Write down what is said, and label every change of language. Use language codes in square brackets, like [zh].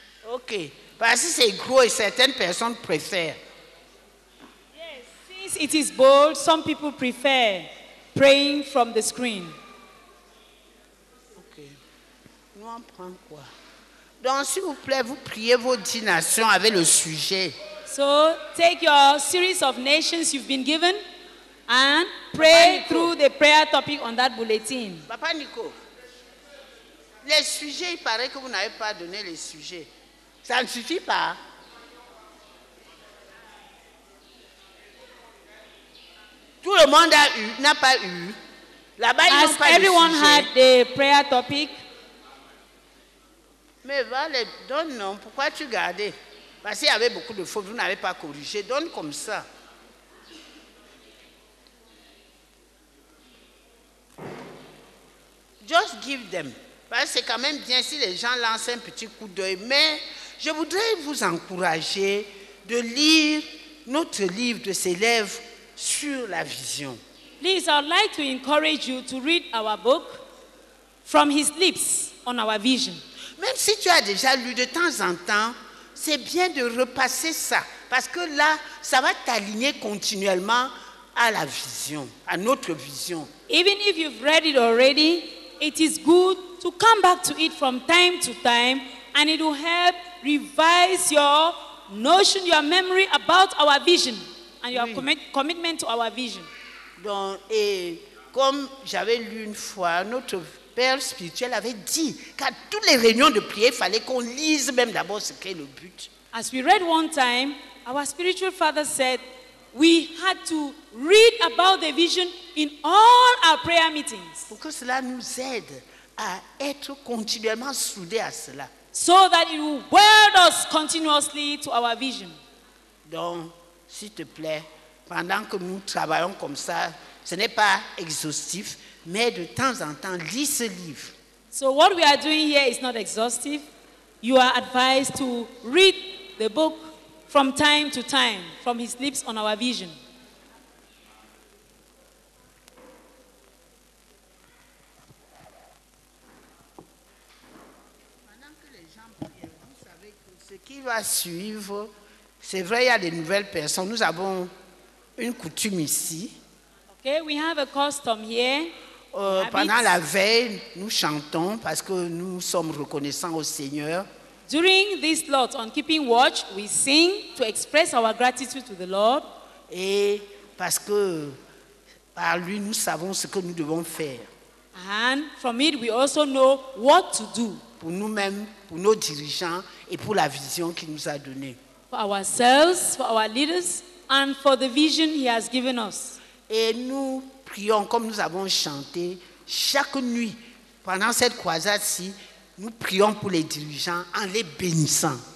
[fr] Ok, parce que c'est gros et certaines personnes préfèrent. [en] Yes, since it is bold, some people prefer praying from the screen. [fr] Ok, nous on prend quoi? Donc s'il vous plaît, vous priez vos 10 nations avec le sujet. [en] So, take your series of nations you've been given. And pray through the prayer topic on that bulletin. [fr] Papa Nico, les sujets, il paraît que vous n'avez pas donné les sujets. Ça ne suffit pas. Tout le monde a eu, n'a pas eu. Là-bas, ils n'ont pas eu. [en] Everyone had the prayer topic. [fr] Mais va les donne, non. Pourquoi tu gardais? Parce qu'il y avait beaucoup de fautes, vous n'avez pas corrigé. Donne comme ça. [en] Just give them. [fr] Parce que c'est quand même bien si les gens lancent un petit coup d'œil. Mais je voudrais vous encourager de lire notre livre de célèbre sur la vision. [en] Please, I'd like to encourage you to read our book from his lips on our vision. [fr] Même si tu as déjà lu de temps en temps, c'est bien de repasser ça. Parce que là, ça va t'aligner continuellement à la vision, à notre vision. [en] Even if you've read it already, it is good to come back to it from time to time and it will help revise your notion, your memory about our vision and your commitment to our vision. [fr] Donc, et comme j'avais lu une fois, notre père spirituel avait dit qu'à toutes les réunions de prière, il fallait qu'on lise même d'abord ce qu'est le but. [en] As we read one time, our spiritual father said we had to read about the vision in all our prayer meetings. [fr] Pour que cela nous aide à être continuellement soudés à cela. [en] So that it will weld us continuously to our vision. [fr] Donc, s'il te plaît, pendant que nous travaillons comme ça, ce n'est pas exhaustif, mais de temps en temps, lis ce livre. [en] So what we are doing here is not exhaustive. You are advised to read the book from time to time, from his lips on our vision. [fr] Pendant que les gens prient, vous savez que ce qui va suivre, c'est vrai, il y a des nouvelles personnes. Nous avons une coutume ici. [en] Okay, we have a custom here. [fr] Pendant la veille, nous chantons parce que nous sommes reconnaissants au Seigneur. [en] During this lot on keeping watch, we sing to express our gratitude to the Lord. [fr] Et parce que par lui, nous savons ce que nous devons faire. [en] And from it, we also know what to do. [fr] Pour nous-mêmes, pour nos dirigeants et pour la vision qu'il nous a donnée. [en] For ourselves, for our leaders, and for the vision he has given us. [fr] Et nous prions comme nous avons chanté chaque nuit pendant cette croisade-ci. Nous prions pour les dirigeants en les bénissant.